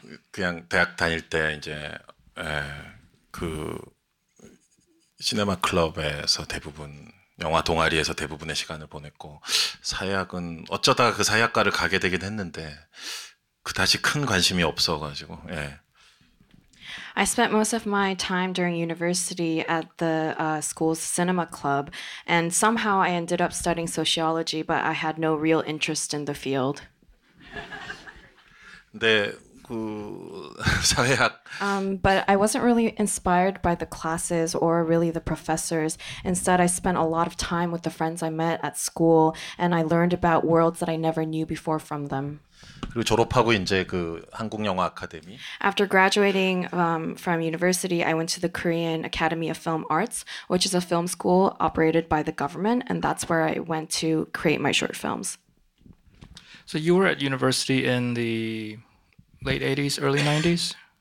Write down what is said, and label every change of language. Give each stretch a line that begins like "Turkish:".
Korean: 그냥 대학 다닐 때 이제 그 시네마 클럽에서 대부분 영화 동아리에서 대부분의 시간을 보냈고 사회학은 어쩌다가 그 사회학과를 가게 되긴 했는데 그다지 큰 관심이 없어가지고 예.
English: I spent most of my time during university at the school's cinema club, and somehow I ended up studying sociology, but I had no real interest in the field.
Korean: 네, 그 사회학.
English: But I wasn't really inspired by the classes or really the professors. Instead, I spent a lot of time with the friends I met at school, and I learned about worlds that I never knew before from them.
Korean: 그리고 졸업하고 이제 그 한국 영화 아카데미.
English: After graduating from university, I went to the Korean Academy of Film Arts, which is a film school operated by the government, and that's where I went to create my short films. So you were at university in the late 80s, early 90s?